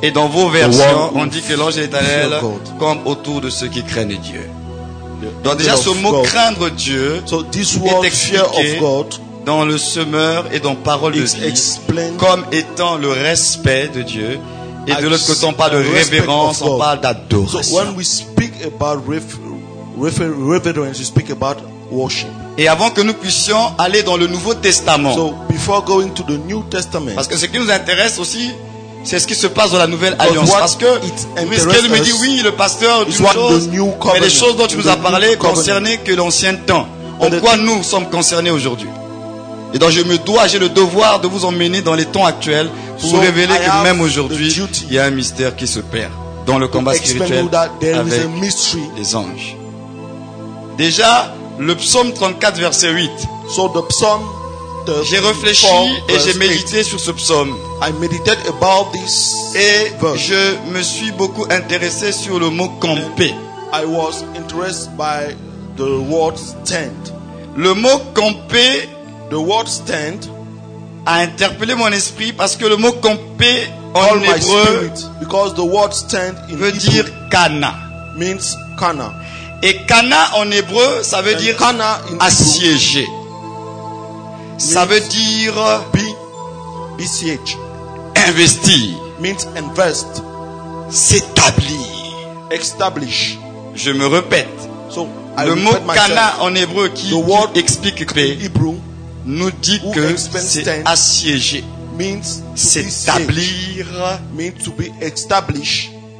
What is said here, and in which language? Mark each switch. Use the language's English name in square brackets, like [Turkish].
[French] Et dans vos versions, on dit que l'ange de l'Éternel campe autour de ceux qui craignent Dieu. Donc déjà ce mot [English] God. [French] Craindre Dieu est expliqué dans le semeur et dans parole de vie comme étant le respect de Dieu. Et de l'autre côté, on parle de révérence, on parle d'adoration. [English] So when we speak about reverence, we speak about worship. [French] Et avant que nous puissions aller dans le Nouveau Testament, [English] so before going to the New Testament, [French] parce que ce qui nous intéresse aussi, c'est ce qui se passe dans la nouvelle alliance. Parce que ce qu'elle me dit, oui, le pasteur, mais les choses dont tu nous as parlé concernaient que l'ancien temps. En quoi nous sommes concernés aujourd'hui? Et donc j'ai le devoir de vous emmener dans les temps actuels pour vous révéler que même aujourd'hui, il y a un mystère qui se perd dans le combat spirituel avec les anges. Déjà, le psaume 34, verset 8. [English] So the psalm. [French] J'ai réfléchi et j'ai médité sur ce psaume. [English] I meditated about this [French] et [English] verse. [French] Je me suis beaucoup intéressé sur le mot camper. [English] I was interested by the word stand. [French] Le mot camper, [English] the word stand, [French] a interpellé mon esprit parce que le mot camper en hébreu [English] because the word stand in [French] veut dire cana. [English] Means cana. [French] Et Kana en hébreu, ça veut dire assiégé. Ça veut dire [English] besiege. [French] Investir. [English] Means invest. [French] S'établir. [English] Establish. [French] Je me répète. [English] So, [French] le mot Kana en hébreu qui explique que [English] Hebrew [French] nous dit que c'est assiégé. [English] Means [French] s'établir. [English] Means to be established.